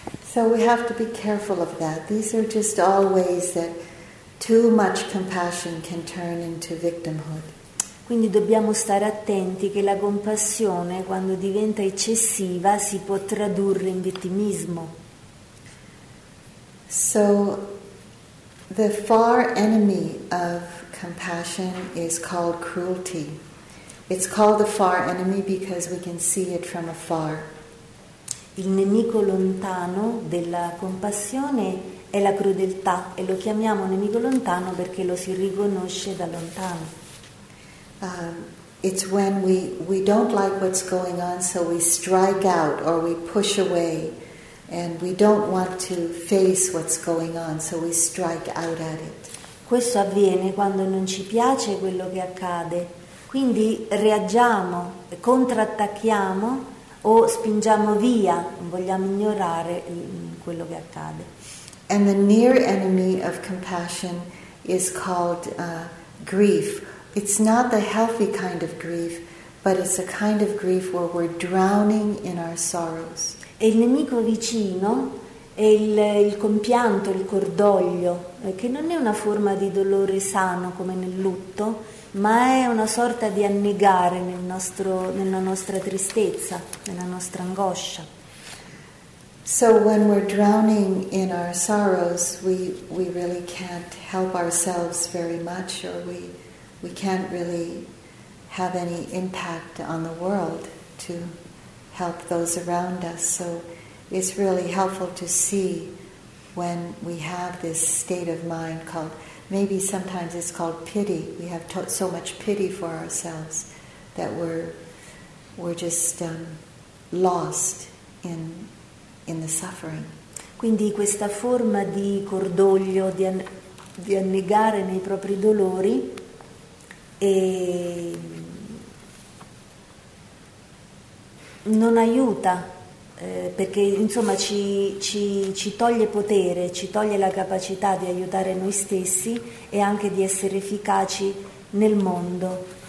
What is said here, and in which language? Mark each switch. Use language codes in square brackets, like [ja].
[en] So we have to be careful of that. These are just all ways that too much compassion can turn into victimhood. [it] Quindi dobbiamo stare attenti che la compassione, quando diventa eccessiva, si può tradurre in vittimismo. [en] So the far enemy of compassion is called cruelty. It's called the far enemy because we can see it from afar. [it] Il nemico lontano della compassione è la crudeltà, e lo chiamiamo nemico lontano perché lo si riconosce da lontano. [en] It's when we don't like what's going on, so we strike out or we push away, and we don't want to face what's going on, so we strike out at it. [it] Questo avviene quando non ci piace quello che accade, quindi reagiamo, contrattacchiamo o spingiamo via, vogliamo ignorare quello che accade. [en] And the near enemy of compassion is called grief. It's not the healthy kind of grief, but it's a kind of grief where we're drowning in our sorrows. [it] E il nemico vicino è il compianto, il cordoglio, che non è una forma di dolore sano come nel lutto, ma è una sorta di annegare nella nostra tristezza, nella nostra angoscia. [en] So when we're drowning in our sorrows, we really can't help ourselves very much, or we can't really have any impact on the world to help those around us. So it's really helpful to see when we have this state of mind called, maybe sometimes it's called pity. We have so much pity for ourselves that we're just lost in the suffering. [it] Quindi questa forma di cordoglio, di annegare nei propri dolori, e non aiuta, perché insomma ci toglie potere, ci toglie la capacità di aiutare noi stessi e anche di essere efficaci nel mondo.